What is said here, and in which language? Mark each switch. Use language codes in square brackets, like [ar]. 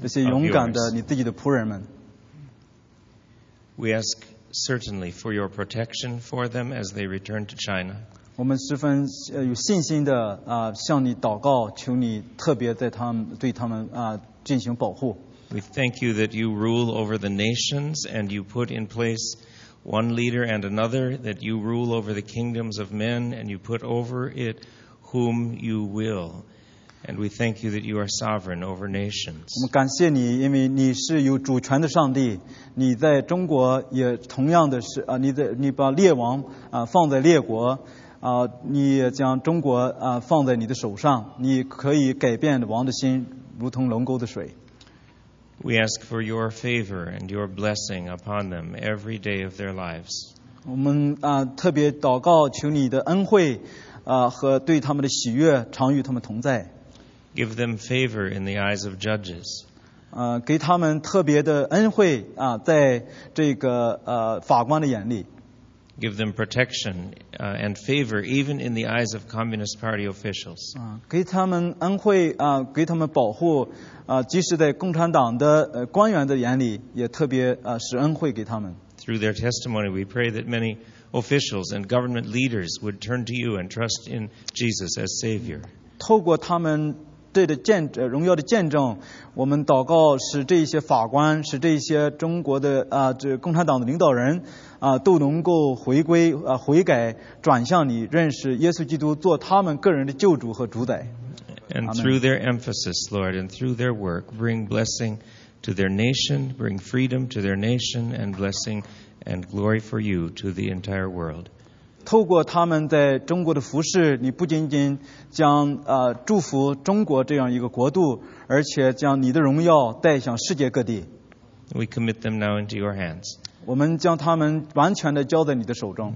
[zh] 这些勇敢的你自己的仆人们 [en] ，We ask certainly for your protection for them as they return to China. [zh] 我们十分有信心的向你祷告，求你特别在他们对他们进行保护。 [en] We thank you that you rule over the nations and you put in place one leader and another. That you rule over the kingdoms of men and you put over it whom you will. And we thank you that you are sovereign over nations. [zh] 我们感谢你，因为你是有主权的上帝。你在中国也同样的是啊，你的你把列王啊放在列国啊，你也将中国啊放在你的手上。你可以改变王的心，如同龙沟的水。 [en] We ask for your favor and your blessing upon them every day of their lives. [zh] 我们啊特别祷告，求你的恩惠。和对他们的喜悦常与他们同在。 [en] Give them favor in the eyes of judges. [zh] 给他们特别的恩惠啊，在这个法官的眼里。 [en] Give them protection and favor even in the eyes of Communist Party officials. [zh] 给他们恩惠啊，给他们保护啊，即使在共产党的官员的眼里，也特别使恩惠给他们。 [en] Through their testimony, we pray that many. Officials and government leaders would turn to you and trust in Jesus as Savior. [zh] 透过他们对的见荣耀的见证，我们祷告使这些法官，使这些中国的这共产党的领导人都能够回归悔改，转向你，认识耶稣基督做他们个人的救主和主宰。 [en] And through their emphasis, Lord, and through their work, bring blessing to their nation, bring freedom to their nation, and blessing. And glory for you to the entire world. [zh] 透过他们在中国的服事，你不仅仅将祝福中国这样一个国度，而且将你的荣耀带向世界各地。 [en] We commit them now into your hands. [zh] 我们将他们完全的交在你的手中。